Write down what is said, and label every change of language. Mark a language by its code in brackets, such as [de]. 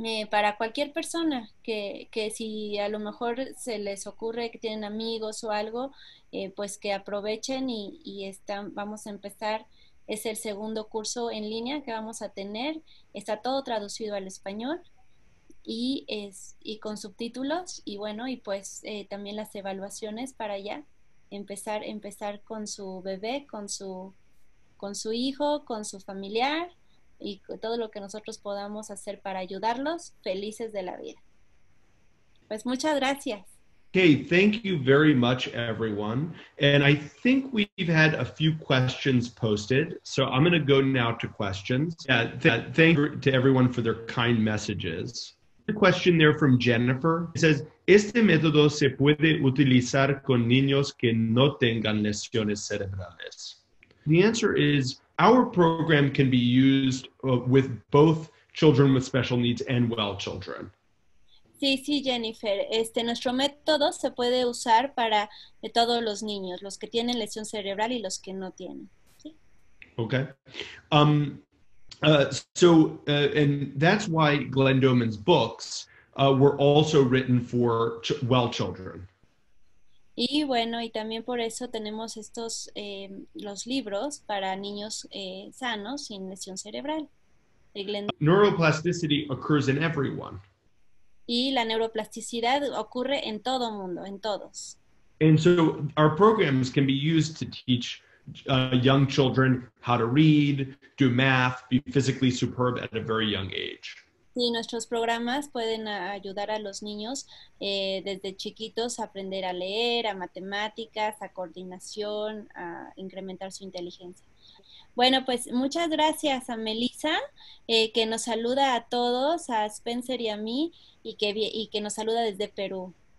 [es] para cualquier persona que si a lo mejor se les ocurre que tienen amigos o algo, pues que aprovechen y están, vamos a empezar, es el segundo curso en línea que vamos a tener, está todo traducido al español y con subtítulos y bueno, y pues también las evaluaciones para ya empezar con su bebé, con su hijo, con su familiar. Y todo lo que nosotros podamos hacer para ayudarlos, felices de la vida. Pues muchas gracias. [en] Okay, thank you very much, everyone. And I think we've had a few questions posted. So I'm going to go now to questions. Thank you to everyone for their kind messages. A question there from Jennifer. It says, [es] ¿este método se puede utilizar con niños que no tengan lesiones cerebrales? [en] The answer is, our program can be used with both children with special needs and well children. [es] Sí, sí, Jennifer. Nuestro método se puede usar para de todos los niños, los que tienen lesión cerebral y los que no tienen. ¿Sí? [en] Okay. And that's why Glenn Doman's books were also written for well children. [es] Y bueno, y también por eso tenemos estos, los libros para niños sanos sin lesión cerebral. [en] Neuroplasticity occurs in everyone. [es] Y la neuroplasticidad ocurre en todo mundo, en todos. [en] And so our programs can be used to teach young children how to read, do math, be physically superb at a very young age. [es] Sí, nuestros programas pueden ayudar a los niños desde chiquitos a aprender a leer, a matemáticas, a coordinación, a incrementar su inteligencia. Bueno, pues muchas gracias a Melissa, que nos saluda a todos, a Spencer y a mí, y que nos saluda desde Perú.